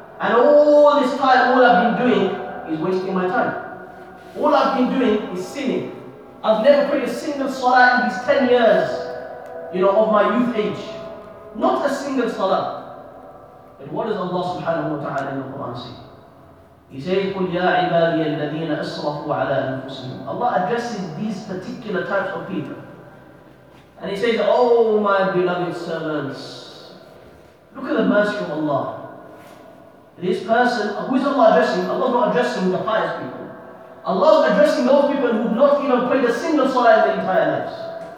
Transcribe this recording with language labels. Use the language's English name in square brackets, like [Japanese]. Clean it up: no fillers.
[English] And all this time, all I've been doing is wasting my time. All I've been doing is sinning. I've never prayed a single salah in these 10 years, you know, of my youth age. Not a single salah. But what does Allah subhanahu wa ta'ala in the Quran say? He says, [Arabic] قُلْ يَا عِبَادِيَ الَّذِينَ أَسْرَفُوا عَلَىٰ أَنفُسِهِمْ. [English] Allah addresses these particular types of people. And he says, oh my beloved servants, look at the mercy of Allah. This person, who is Allah addressing? Allah's not addressing the pious people. Allah is addressing those people who have not even prayed a single salah in their entire lives.